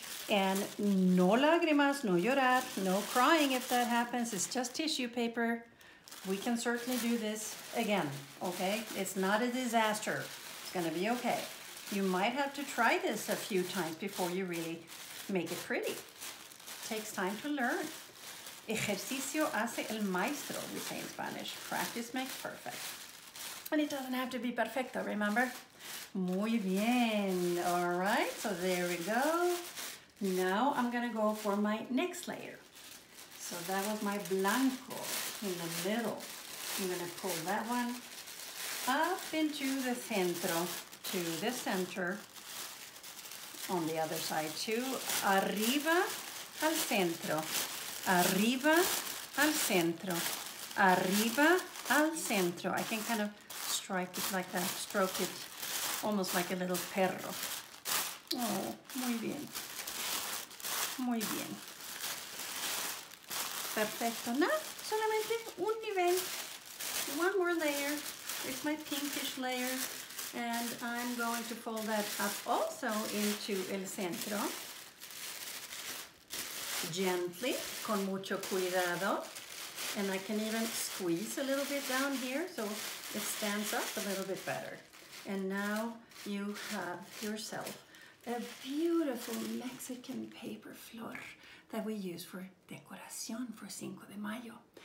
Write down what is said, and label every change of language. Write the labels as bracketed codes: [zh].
[en] And no [es] lágrimas, no llorar, [en] no crying if that happens. It's just tissue paper. We can certainly do this again, okay? It's not a disaster. It's going to be okay. You might have to try this a few times before you really make it pretty. It takes time to learn. [es] Ejercicio hace el maestro, [en] we say in Spanish. Practice makes perfect. And it doesn't have to be perfecto, remember? [es] Muy bien. [en] All right, so there we go. Now I'm going to go for my next layer. So that was my blanco in the middle. I'm going to pull that one up into the centro, to the center, on the other side too. [es] Arriba al centro. Arriba al centro. Arriba al centro. [en] I can kind of strike it like that, stroke it almost like a little perro. [es] Oh, muy bien. Muy bien. Perfecto. No, solamente un nivel. [en] One more layer. It's my pinkish layer. And I'm going to fold that up also into [es] el centro. [en] Gently, [es] con mucho cuidado. [en] And I can even squeeze a little bit down here so it stands up a little bit better. And now you have yourself a beautiful Mexican paper flor that we use for decoración for Cinco de Mayo.